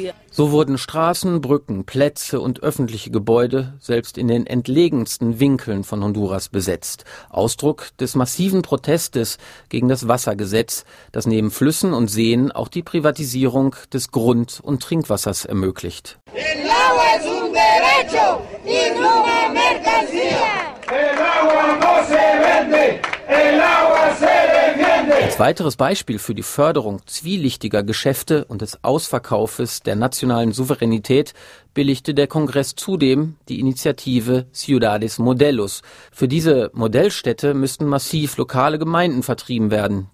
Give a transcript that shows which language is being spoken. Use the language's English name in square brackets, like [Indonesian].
[German] So wurden Straßen, Brücken, Plätze und öffentliche Gebäude selbst in den entlegenen entlegensten Winkeln von Honduras besetzt. Ausdruck des massiven Protestes gegen das Wassergesetz, das neben Flüssen und Seen auch die Privatisierung des Grund- und Trinkwassers ermöglicht. [Spanish] El agua es un derecho y no una mercancía. El agua no se vende. El agua se defiende. [German] Als weiteres Beispiel für die Förderung zwielichtiger Geschäfte und des Ausverkaufes der nationalen Souveränität billigte der Kongress zudem die Initiative Ciudades Modelos. Für diese Modellstädte müssten massiv lokale Gemeinden vertrieben werden.